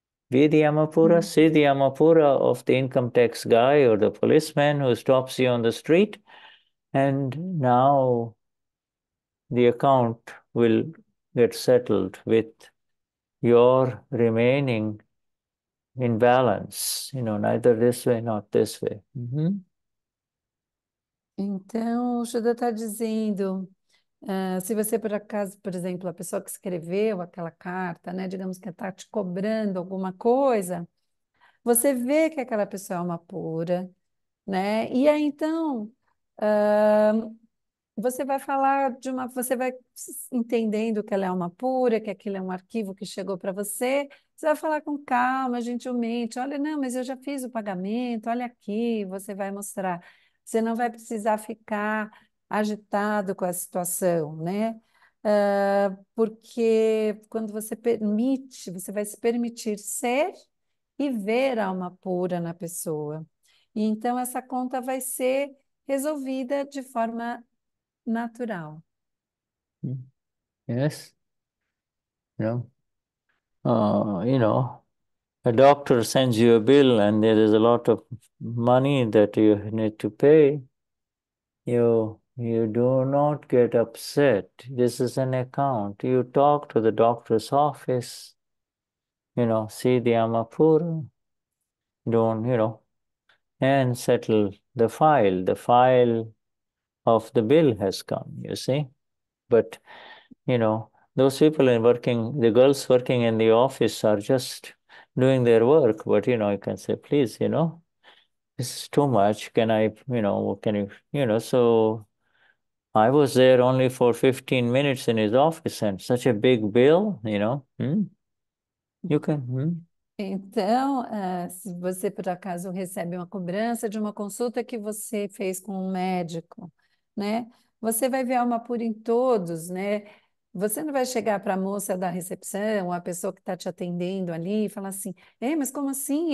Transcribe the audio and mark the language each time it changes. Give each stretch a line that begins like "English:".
English: Vidhi Amapura, see the Amapura of the income tax guy or the policeman who stops you on the street, and now the account will get settled with your remaining in balance, neither this way, not this way.
Portuguese: Então, o Shuddha está dizendo, se você por acaso, por exemplo, a pessoa que escreveu aquela carta, né, digamos que está te cobrando alguma coisa, você vê que aquela pessoa é uma pura, né? E aí então, você vai falar de uma, você vai entendendo que ela é uma pura, que aquilo é um arquivo que chegou para você. Você vai falar com calma, gentilmente. Olha, não, mas eu já fiz o pagamento. Olha aqui, você vai mostrar. Você não vai precisar ficar agitado com a situação, né? Porque quando você permite, você vai se permitir ser e ver a alma pura na pessoa. E então essa conta vai ser resolvida de forma natural.
English: Yes. A doctor sends you a bill and there is a lot of money that you need to pay. You do not get upset. This is an account. You talk to the doctor's office, see the Amapura, and settle the file. The file of the bill has come, you see. But those people in working, the girls working in the office are just doing their work. But you can say, "Please, this is too much. Can I, can you, So I was there only for 15 minutes in his office, and such a big bill, You can,
Portuguese: Então, se você por acaso recebe uma cobrança de uma consulta que você fez com um médico, né? Você vai ver a alma pura em todos, né? Você não vai chegar para a moça da recepção, a pessoa que está te atendendo ali, e falar assim: "Ei, mas como assim?